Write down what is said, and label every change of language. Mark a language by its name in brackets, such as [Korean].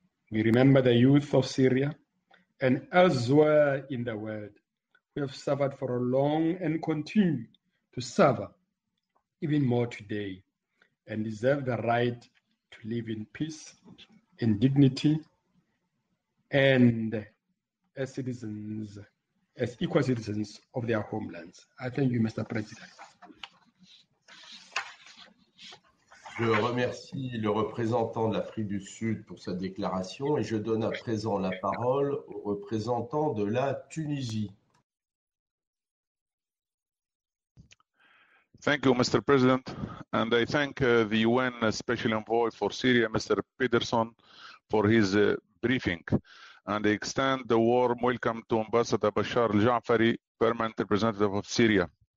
[English] We remember the youth of Syria and elsewhere in the world who have suffered for a long and continue to suffer even more today and deserve the right to live in peace, in dignity, and as citizens, as equal citizens of their homelands. I thank you, Mr. President. [French] Je remercie le représentant de l'Afrique du Sud pour sa déclaration et je donne à présent la parole au représentant de la Tunisie. [English] Thank you, Mr. President, and I thank the UN Special Envoy for Syria, Mr. Pedersen, for his briefing, and I extend the warm welcome to Ambassador Bashar al-Jaafari, permanent representative of Syria.